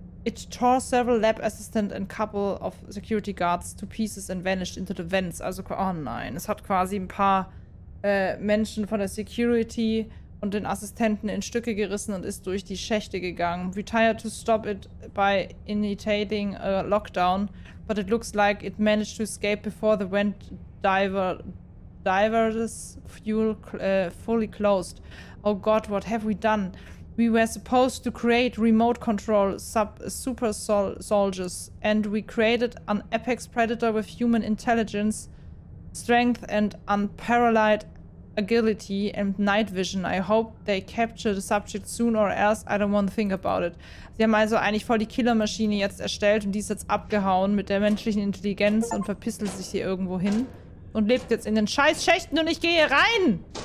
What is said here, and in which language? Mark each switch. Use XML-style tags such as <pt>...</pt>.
<en>It tore several lab assistant and couple of security guards to pieces and vanished into the vents.</en> <de>Also, oh nein, es hat quasi ein paar Menschen von der Security und den Assistenten in Stücke gerissen und ist durch die Schächte gegangen.</de> <en>We tried to stop it by initiating a lockdown, but it looks like it managed to escape before the vent diver's fuel fully closed. Oh God, what have we done? We were supposed to create remote control super soldiers, and we created an apex predator with human intelligence, strength, and unparalleled agility and night vision. I hope they capture the subject soon or else I don't want to think about it.</en> <de>Sie haben also eigentlich voll die Killermaschine jetzt erstellt und die ist jetzt abgehauen mit der menschlichen Intelligenz und verpisselt sich hier irgendwo hin und lebt jetzt in den scheiß Schächten und ich gehe rein!</de>